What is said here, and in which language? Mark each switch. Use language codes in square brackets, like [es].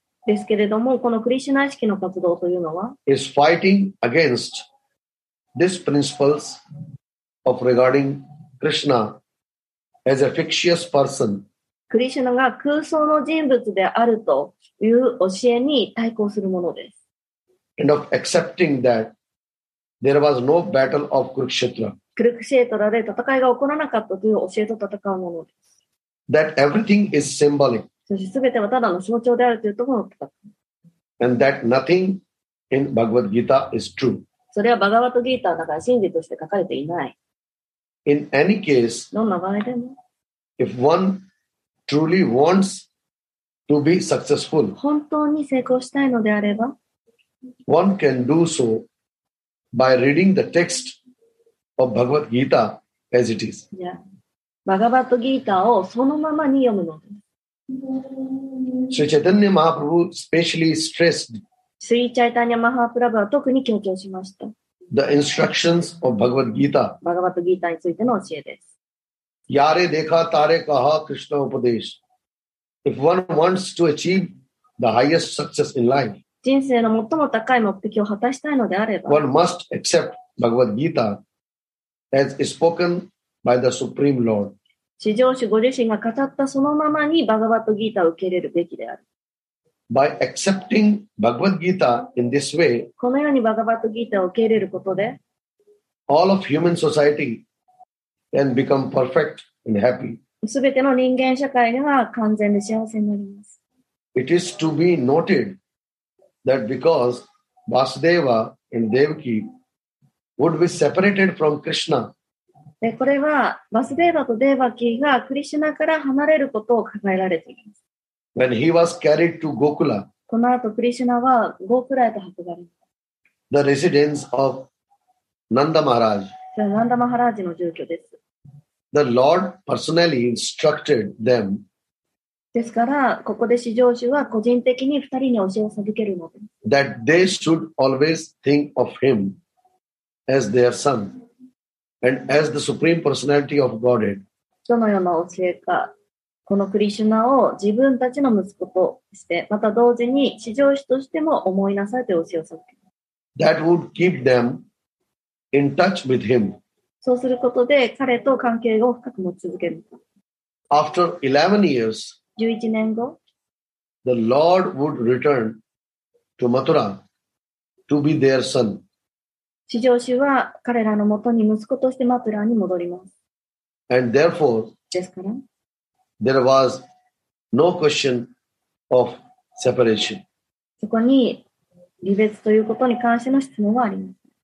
[ja] ですけれども、このクリシュナ意識の活動というのは、 [en] is fighting against these principles of regarding Krishna as a fictitious person. [ja] クリシュナが空想の人物であるという教えに対抗するものです。 [en] And of accepting that there was no battle of Kurukshetra. [ja] クルクシェトラで戦いが起こらなかったという教えと戦うものです。 [en] That everything is symbolic. [ja] そして全てはただの象徴であるというところだった。 [en] And that nothing in Bhagavad Gita is true. [ja] それはバガバットギーターだから真実として書かれていない。 [en] In any case, [ja] どんな場合でも、 [en] if one truly wants to be successful, [ja] 本当に成功したいのであれば、 [en] one can do so by reading the text of Bhagavad Gita as it is. [ja] バガバットギーターをそのままに読むのです。 [en] Sri Chaitanya Mahaprabhu specially stressed. [ja] Sri Chaitanya Mahaprabhu は特に強調しました。 [en] the instructions of Bhagavad Gita. [ja] Bhagavad Gita についての教えです。 [bn] Yare dekha tare kaha Krishna upadesh. [en] If one wants to achieve the highest success in life, [ja] 人生の最も高い目的を果たしたいのであれば、 [en] one must accept Bhagavad Gita as spoken by the Supreme Lord. [ja] 至上主ご自身が語ったそのままにバガバットギータを受け入れるべきである。 [en] By accepting Bhagavad Gita in this way, [ja] このようにバガバットギータを受け入れることで、 [en] all of human society can become perfect and happy. [ja] すべての人間社会が完全で幸せになります。 [en] It is to be noted that because Vasudeva and Devaki would be separated from Krishna, [ja] でこれはバスデーバとデーバキがクリシュナから離れることを考えられています。 [en] When he was carried to Gokula, [ja] この後クリシュナはゴークラへと運ばれます。 [en] The residence of Nanda Maharaj. [ja] Nanda Maharaj の住居です。 [en] The Lord personally instructed them. [ja] ですからここで至上主は個人的に二人に教えを授けるのです。 [en] That they should always think of him as their son. And as the Supreme Personality of Godhead, [ja] どのような教えか、このクリシュナを自分たちの息子として、また同時に至上主としても思いなさいという教えを授ける。 [en] That would keep them in touch with him. [ja] そうすることで彼と関係を深く持ち続ける。 [en] After 11 years, [ja] 11年後、 [en] the Lord would return to Mathura to be their son. [ja] 至上主は彼らのもとに息子としてマトラに戻ります。 [en] And therefore, [ja] ですから、 [en] there was no question of separation. [ja] そこに離別ということに関しての質問はあります。